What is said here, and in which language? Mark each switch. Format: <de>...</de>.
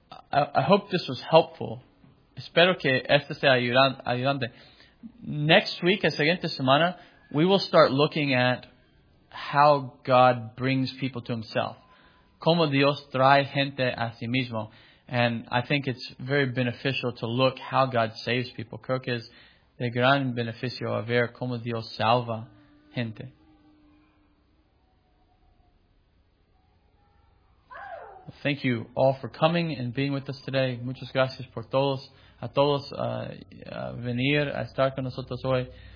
<en>I hope this was helpful.</en> <es>Espero que este sea ayudante.</es> <en>Next week,</en> <es>la siguiente semana,</es> <en>we will start looking at how God brings people to himself.</en> <es>Cómo Dios trae gente a sí mismo.</es> <en>And I think it's very beneficial to look how God saves people.</en> <es>Creo que es de gran beneficio a ver cómo Dios salva gente.</es> <en>Thank you all for coming and being with us today.</en> <es>Muchas gracias por todos, a todos venir a estar con nosotros hoy.</es>